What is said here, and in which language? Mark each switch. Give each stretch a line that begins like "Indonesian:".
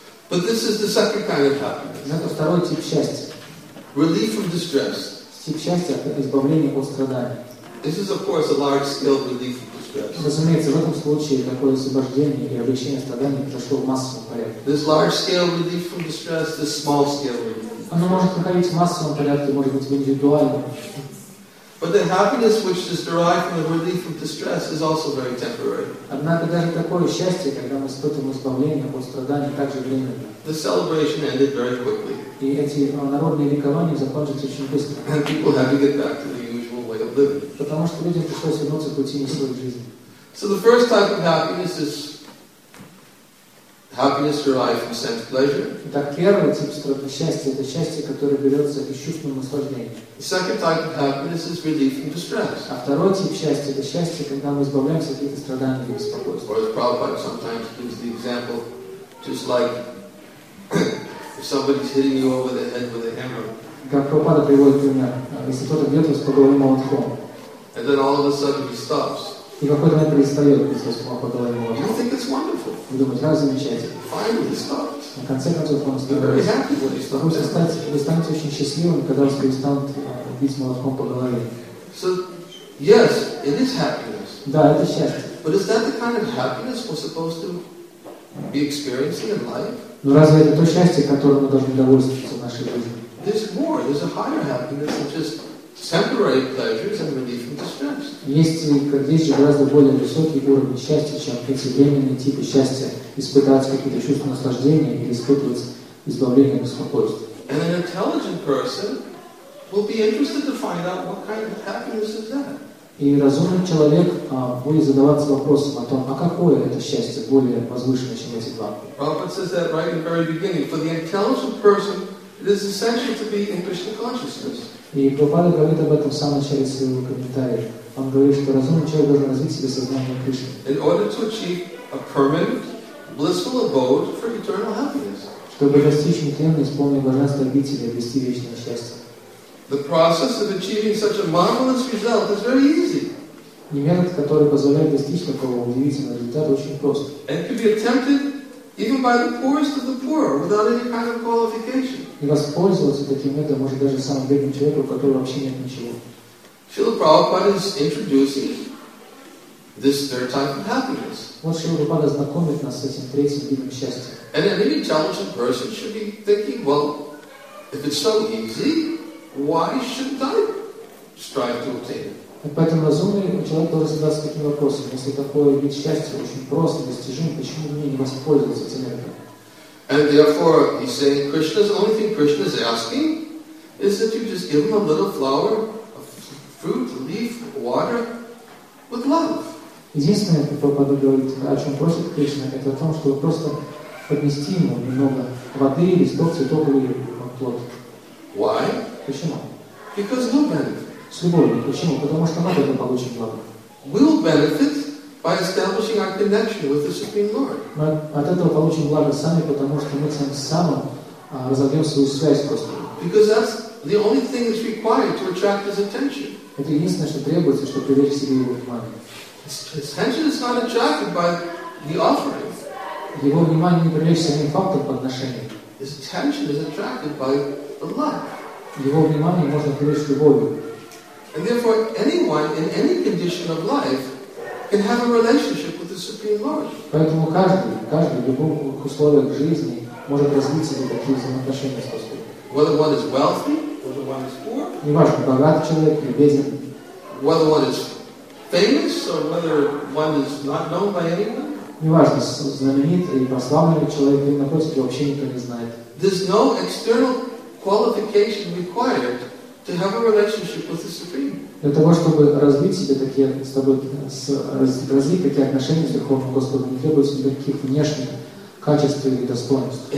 English: But this is the second kind of happiness.
Russian: Это второй тип счастья.
English: Relief from distress.
Russian: Тип счастья – это избавление от страданий.
English: This is, of course, a large-scale relief from distress.
Russian: Разумеется, в этом случае такое освобождение и облегчение страданий произошло в массовом порядке.
English: This large-scale relief from distress, this small-scale relief from distress.
Russian: Оно может проходить в массовом порядке, может быть, в индивидуальном.
English: But the happiness which is derived from the relief from distress is also very temporary.
Russian: Однако даже такое счастье, когда мы испытываем избавление от страданий, также временно.
English: The celebration ended very quickly.
Russian: И эти народные ликования закончились очень быстро.
English: And people had to get back to the usual way of living.
Russian: Потому что людям пришлось вернуться к рутине своей жизни.
English: So the first type of happiness is happiness derived from sense pleasure.
Russian: Итак, первый тип счастья – это счастье, которое берется из чувственного наслаждения.
English: The second type of happiness is relief from distress.
Russian: А второй тип счастья – это счастье, когда мы избавляемся от каких-то страданий и беспокойств.
English: Or as Prabhupada sometimes gives the example, just like if somebody's hitting you over the head with a hammer.
Russian: Как Прабхупада приводит пример, если кто-то бьет вас по голове молотком.
English: And then all of a sudden he stops.
Russian: И какой-то момент перестает, если спокойно его.
English: You think it's wonderful?
Russian: Вы думаете, как замечательно?
English: Finally he stops.
Russian: На конце концов он остается. Вы станете очень счастливым, когда вас перестанут бить молотком по голове.
English: So, yes, it is happiness.
Russian: Да, это счастье.
English: But is that the kind of happiness we're supposed to be experiencing in life?
Russian: Но разве это то счастье, которое мы должны довольствоваться в нашей жизни?
English: There's more. There's a higher happiness than just temporary pleasures and relief from distress.
Russian: Есть же гораздо более высокий уровень счастья, чем эти временные типы счастья, испытать какие-то чувства наслаждения или испытывать избавление от беспокойства.
English: And an intelligent person will be interested to find out what kind of happiness is that.
Russian: И разумный человек будет задаваться вопросом о том, а какое это счастье более возвышенное, чем эти два.
English: Prabhupada says that right in the very beginning. For the intelligent person, it is essential to be in Krishna consciousness.
Russian: И Прабхупада говорит об этом в самом начале своего комментария. Он говорит, что разумный человек должен развить себе сознание Кришны.
English: In order to achieve a permanent, blissful abode for eternal happiness.
Russian: Чтобы достичь нетленной, исполненной блаженства обители, обрести вечное счастье.
English: The process of achieving such a marvelous result is very easy.
Russian: Метод, который позволяет достичь такого удивительного результата, очень прост.
English: And can be attempted even by the poorest of the poor, without any kind of qualification.
Russian: И воспользоваться таким методом может даже самым бедным человеком, у которого вообще нет ничего.
English: Srila Prabhupada is introducing this third type of happiness.
Russian: Вот Srila Prabhupada знакомит нас с этим третьим видом счастья.
English: And any intelligent person should be thinking, well, if it's so easy, Why should I strive to obtain?
Russian: Поэтому разумный человек должен задаться таким вопросом. Если такой вид счастья очень прост и достижим, почему мне не воспользоваться этим этим?
English: And therefore, he's saying, Krishna's only thing Krishna is asking is that you just give him a little flower, a fruit, a leaf, water, with love.
Russian: Единственное, как Прабхупада говорит, о чем просит Кришна, это о том, чтобы просто поднести ему немного воды, листов, цветов или плод.
English: Why?
Russian: Почему?
English: Because no benefit.
Russian: С любовью. Почему? Потому что мы от этого получим благо.
English: We'll benefit by establishing our connection with the Supreme Lord.
Russian: Мы от этого получим благо сами, потому что мы тем самым разовьем свою связь с Господом.
English: Because that's the only thing that's required to attract His attention.
Russian: Это единственное, что требуется, чтобы привлечь к себе Его внимание.
English: His attention is not attracted by the offering.
Russian: Его внимание не привлечь самим фактом подношения.
English: His attention is attracted by the love.
Russian: Его внимание можно привлечь любовью.
English: And therefore, anyone in any condition of life can have a relationship with the Supreme Lord.
Russian: Поэтому каждый в любых условиях жизни может развить себе такие взаимоотношения с Господом.
English: Whether one is wealthy, whether one is poor.
Russian: Неважно, богат человек или беден.
English: Whether one is famous or whether one is not known by anyone.
Russian: Неважно, знаменит или прославленный человек или находится, вообще никто не знает.
English: There's no external qualification required to have a relationship with the Supreme.
Russian: Для того, чтобы развить себе такие с тобой развить такие отношения с Верховным Господом, не требуется никаких внешних качеств или достоинств.